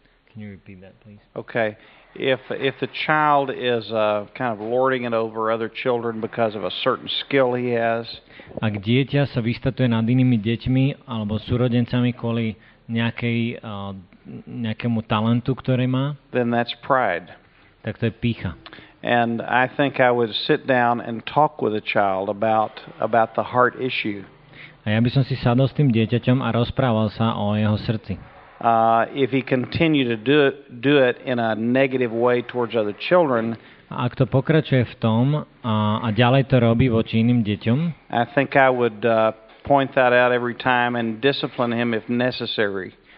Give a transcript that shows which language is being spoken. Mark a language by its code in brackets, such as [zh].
[en] Can you repeat that, please? Okay. If the child is kind of lording it over other children because of a certain skill he has. [sk] Ak dieťa sa vystatuje nad inými deťmi alebo súrodencami kvôli nejakému talentu, ktorý má. [en] Then that's pride. [sk] Tak to je pýcha. [en] And I think I would sit down and talk with a child about the heart issue. [sk] A ja by som si sadol s tým dieťaťom a rozprával sa o jeho srdci. [en] If he continue to do it in a negative way towards other children, [sk] ak to pokračuje v tom a ďalej to robí voči iným deťom, [en] I think I would point that out every time and discipline him if necessary.